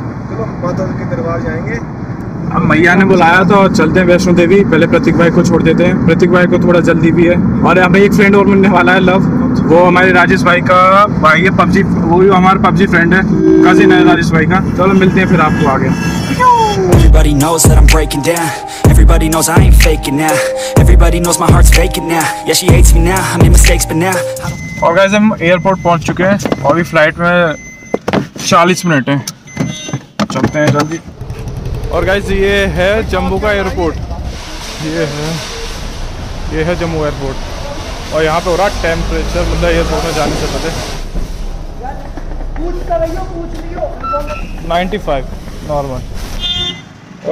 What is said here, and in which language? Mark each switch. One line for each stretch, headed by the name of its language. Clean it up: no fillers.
Hindi: चलो माता के दरबार जाएंगे। अब मैया ने बुलाया तो चलते हैं वैष्णो देवी। पहले प्रतीक भाई को छोड़ देते हैं, प्रतीक भाई को थोड़ा जल्दी भी है। और यहाँ पे एक फ्रेंड और मिलने वाला है, लव, वो हमारे राजेश भाई का भाई है, पबजी, वो भी हमारा पबजी फ्रेंड है, कजिन है राजेश भाई का। चलो मिलते हैं फिर आपको आगे।
English: Everybody knows that I'm breaking down. Everybody knows I ain't faking now. Everybody knows my heart's faking now. Yeah, she hates me now. I made mistakes but now.
Hindi: और गाइस, हम एयरपोर्ट पहुंच चुके हैं, अभी फ्लाइट में 40 minute है, चलते हैं जल्दी। और गाइस, ये है जम्मू का एयरपोर्ट, ये है जम्मू एयरपोर्ट। और यहाँ पे हो रहा टेम्परेचर, मतलब एयरपोर्ट में जाने से पहले 95 नॉर्मल।